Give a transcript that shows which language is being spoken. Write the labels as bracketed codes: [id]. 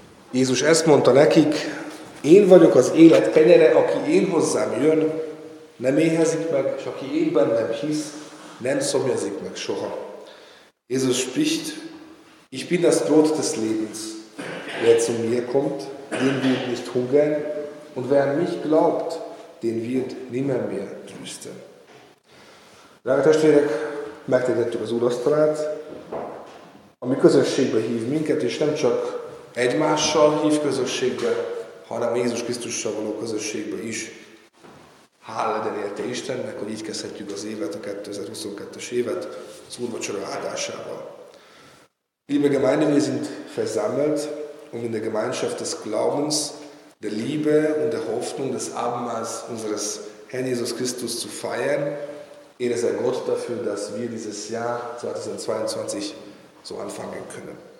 [hu] Jézus ezt mondta nekik, én vagyok az élet kenyere, aki én hozzám jön, nem éhezik meg, és aki én bennem hisz, nem szomjazik meg soha. [de] Jézus spricht, ich bin das Brot des Lebens. Wer zu mir kommt, den wird nicht hungern, und wer an mich glaubt, den wird nimmermehr dürsten. [hu] Drága testvérek, megtettük az úrasztalát, ami közösségbe hív minket, és nem csak egymással hív közösségbe, hanem Jézus Krisztussal való közösségbe is. Hála legyen érte Istennek, hogy így kezdhetjük az évet, a 2022-es évet, az úrvacsora áldásával. [de] Liebe Gemeinde, wir sind versammelt, um in der Gemeinschaft des Glaubens, der Liebe und der Hoffnung des Abendmahls unseres Herrn Jesus Christus zu feiern. Ehre sei Gott dafür, dass wir dieses Jahr 2022 so anfangen können.